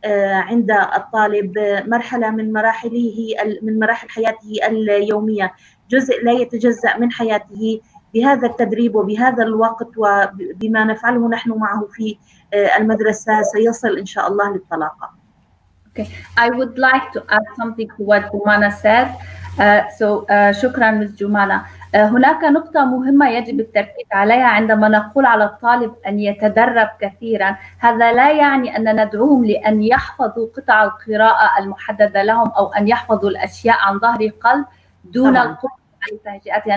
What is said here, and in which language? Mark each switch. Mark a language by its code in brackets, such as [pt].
[ar] عند الطالب، مرحلة من مراحله، من مراحل حياته اليومية، جزء لا يتجزأ من حياته. بهذا التدريب وبهذا الوقت وبما نفعله نحن معه في المدرسة سيصل إن شاء الله للطلاقة. [en] Okay. I would like to add something to what Jumana said. [ar] شكرا Ms. Jumana. هناك نقطة مهمة يجب التركيز عليها عندما نقول على الطالب أن يتدرب كثيرا. هذا لا يعني أن ندعوهم لأن يحفظوا قطع القراءة المحددة لهم أو أن يحفظوا الأشياء عن ظهر قلب دون القدرة على تهجئتها.